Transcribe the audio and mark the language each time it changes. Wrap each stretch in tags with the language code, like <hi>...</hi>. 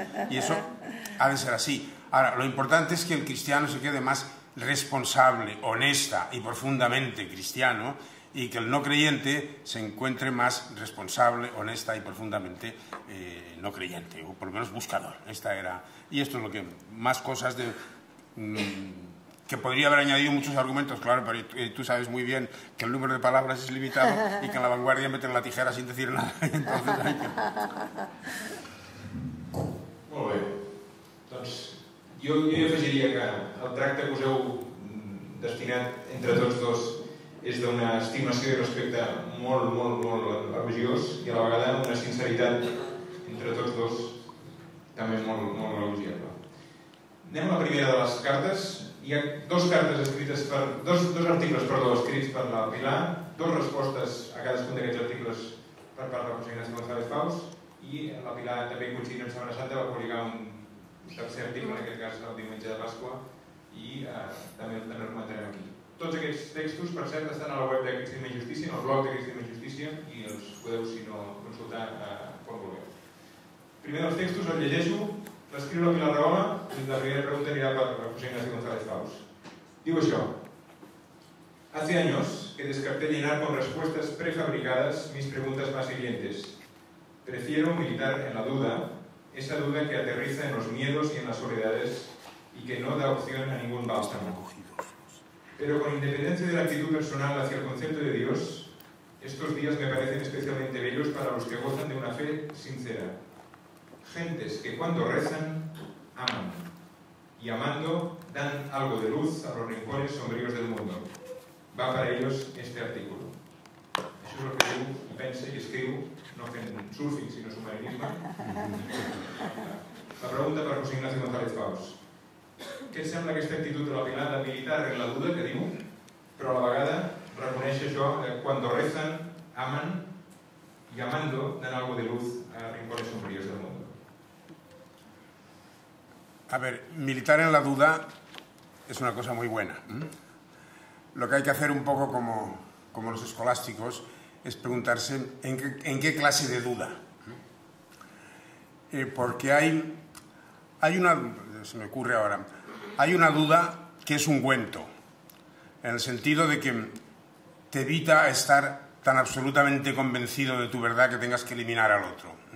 <es>Y eso ha de ser así. Ahora, lo importante es que el cristiano se quede más responsable, honesta y profundamente cristiano, y que el no creyente se encuentre más responsable, honesta y profundamente no creyente, o por lo menos buscador. Esta era, y esto es lo que más cosas de... que podría haber añadido muchos argumentos, claro, pero tú sabes muy bien que el número de palabras es limitado y que en La Vanguardia meten la tijera sin decir nada. Entonces, hay que...</es> <ca>Molt bé. Doncs jo afegiria que el tracte que us heu destinat entre tots dos és d'una estimació i respecte molt, molt, molt elogiós, i a la vegada una sinceritat entre tots dos també és molt, molt elogiable. Anem a la primera de les cartes. Hi ha dos cartes escrites per... dos articles, perdó, escrits per la Pilar, dues respostes a cadascun d'aquests articles per part de la consellera de González Faus, i la Pilar també coincidint amb Setmana Santa va publicar un tercer article, en aquest cas el diumenge de Pasqua, i també el comentarem aquí. Tots aquests textos, per cert, estan a la web de Cristina i Justícia, en el blog de Cristina i Justícia, i els podeu, si no, consultar quan vulgueu. Primer dels textos, el llegeixo, l'escriu la Pilar Rahola, i la primera pregunta anirà per la José Ignacio González Faus. Diu això:</ca> <es>hace años que descarté llenar con respuestas prefabricadas mis preguntas más hirientes. Prefiero militar en la duda, esa duda que aterriza en los miedos y en las soledades y que no da opción a ningún bálsamo. Pero con independencia de la actitud personal hacia el concepto de Dios, estos días me parecen especialmente bellos para los que gozan de una fe sincera. Gentes que cuando rezan, aman. Y amando, dan algo de luz a los rincones sombríos del mundo. Va para ellos este artículo. Eso es lo que yo pensé y escribo, no que en surfing, sino submarinismo. La pregunta para José Ignacio González Faus.</es> <ca>Què et sembla aquesta actitud de la Pilar de</ca> <es>militar en la duda</es> <ca>que diu, però a la vegada reconeix això que quan rezan, amen i amando</ca> <es>dan algo de luz a rincones sombríos del mundo? A ver, militar en la duda es una cosa muy buena. Lo que hay que hacer un poco como los escolásticos es preguntarse en qué clase de duda. Porque hay una... se me ocurre ahora, hay una duda que es ungüento, en el sentido de que te evita estar tan absolutamente convencido de tu verdad que tengas que eliminar al otro.</es>